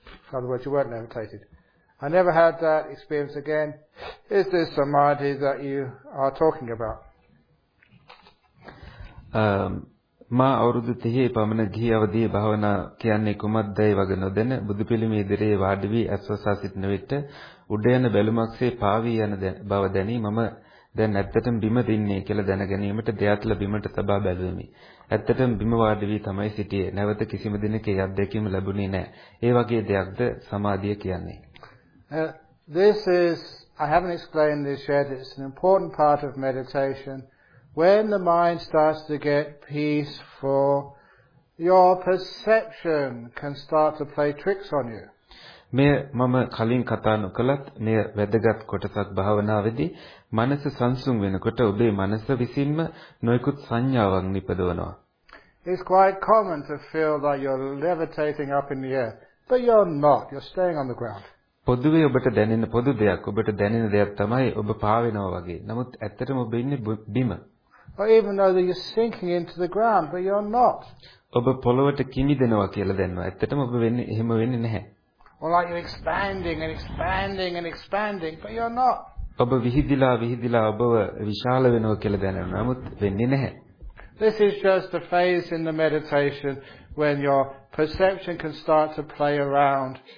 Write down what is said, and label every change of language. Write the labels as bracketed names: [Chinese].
[English] In other words, you weren't levitated. I never had that experience again. Is this samadhi that you are talking about? [Sinhala] මා අවුරුදු 30 පමණ ගිහි අවදී භාවනා කියන්නේ කුමක්දයි වග නොදැන බුදු පිළිමේ ඉදිරියේ වාඩි වී අස්වසා සිටින විට උඩයන බැලුමක්සේ පාවී යන බව දැනී මම දැන් ඇත්තටම බිම දින්නේ කියලා දැන ගැනීමට දෙයත්ල බිමට සබා බැලුවෙමි. ඇත්තටම බිම වාඩි වී තමයි සිටියේ. නැවත කිසිම දිනක ඒ අත්දැකීම ලැබුණේ නැහැ. ඒ වගේ දෙයක්ද සමාධිය කියන්නේ? [English] This is, I haven't explained this yet, it's an important part of meditation. When the mind starts to get peaceful, your perception can start to play tricks on you. [Sinhala] මේ මම කලින් කතා නොකලත් මේ වැදගත් කොටසක් භාවනාවේදී මනස සංසුන් වෙනකොට ඔබේ මනස විසින්ම නොයෙකුත් සංඥාවන් නිපදවනවා. [English] It's quite common to feel that you're levitating up in the air, but you're not. You're staying on the ground. [Sinhala] පොදුවේ ඔබට දැනෙන පොදු දෙයක්, ඔබට දැනෙන දෙයක් තමයි ඔබ පාවෙනවා වගේ. නමුත් ඇත්තටම ඔබ ඉන්නේ බිම. [English] Or even though that you're sinking into the ground, but you're not. [Sinhala] ඔබ පොළවට කිමිදෙනවා කියලා දැනනවා. ඇත්තටම ඔබ වෙන්නේ එහෙම වෙන්නේ නැහැ. [English] Or like you're expanding and expanding and expanding, but you're not. [Sinhala] ඔබ විහිදිලා විහිදිලා ඔබව විශාල වෙනවා කියලා දැනෙනවා. නමුත් වෙන්නේ නැහැ. [English] This is just a phase in the meditation when your perception can start to play around.